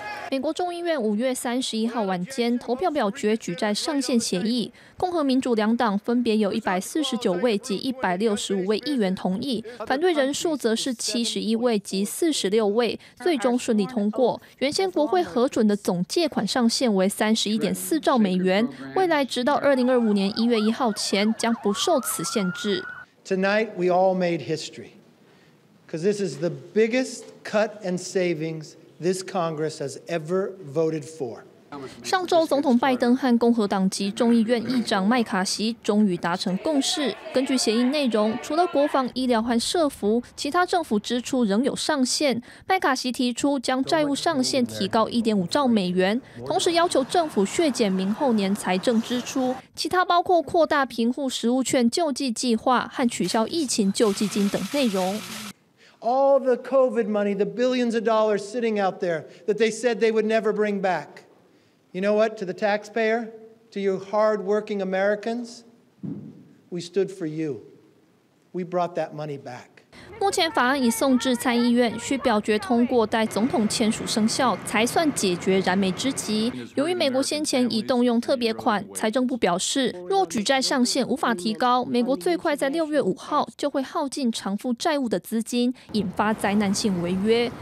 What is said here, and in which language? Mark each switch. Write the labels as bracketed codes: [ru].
[zh] 美国众议院5月31号晚间投票表决举债上限协议，共和民主两党分别有149位及165位议员同意，反对人数则是71位及46位，最终顺利通过。原先国会核准的总借款上限为31.4兆美元，未来直到2025年1月1号前将不受此限制。 [en] Tonight we all made history, because this is the biggest cut and savings this Congress has ever voted for. [zh] 上周，总统拜登和共和党籍众议院议长麦卡锡终于达成共识。根据协议内容，除了国防、医疗和社福，其他政府支出仍有上限。麦卡锡提出将债务上限提高1.5兆美元，同时要求政府削减明后年财政支出。其他包括扩大贫富食物券救济计划和取消疫情救济金等内容。 [en] All the COVID money, the billions of dollars sitting out there that they said they would never bring back. You know what? To the taxpayer, to you hard-working Americans, we stood for you. We brought that money back. [zh] 目前法案已送至参议院，需表决通过，待总统签署生效才算解决燃眉之急。由于美国先前已动用特别款，财政部表示，若举债上限无法提高，美国最快在6月5号就会耗尽偿付债务的资金，引发灾难性违约。